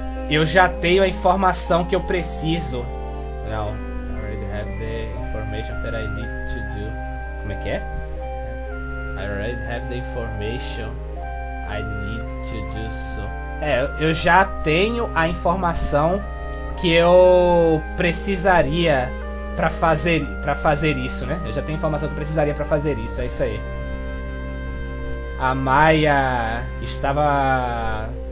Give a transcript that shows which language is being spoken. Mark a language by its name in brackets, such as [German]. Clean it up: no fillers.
[Portuguese] Eu já tenho a informação que eu preciso. Não, [English] I already have the information that I need to do. [Portuguese] Como é que é? [English] I already have the information. I need to do so. [Portuguese] Eu já tenho a informação que eu precisaria pra fazer isso, né? Eu já tenho informação que eu precisaria pra fazer isso, é isso aí. A Maia estava...